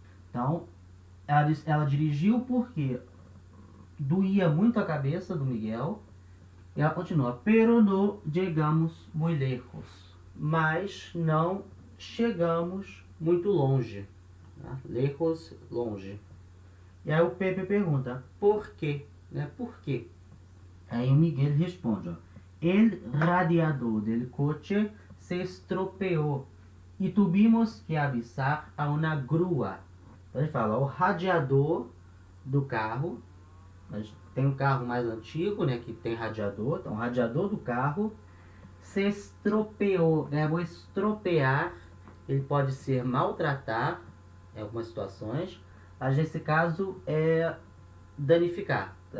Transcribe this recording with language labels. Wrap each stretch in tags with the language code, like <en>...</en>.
<pt>Então, ela dirigiu porque doía muito a cabeça do Miguel. E ela continua,</pt> <es>pero no llegamos muy lejos,</es> <pt>mas não chegamos muito longe, né? Lejos, longe. E aí o Pepe pergunta, por quê? Né? Por quê?</pt> <es>Aí o Miguel responde, el radiador del coche se estropeou e tuvimos que avisar a una grúa.</es> <pt>Então ele fala, o radiador do carro, mas tem um carro mais antigo, né, que tem radiador, então o radiador do carro se estropeou, verbo estropear, ele pode ser maltratar em algumas situações, mas nesse caso é danificar.</pt>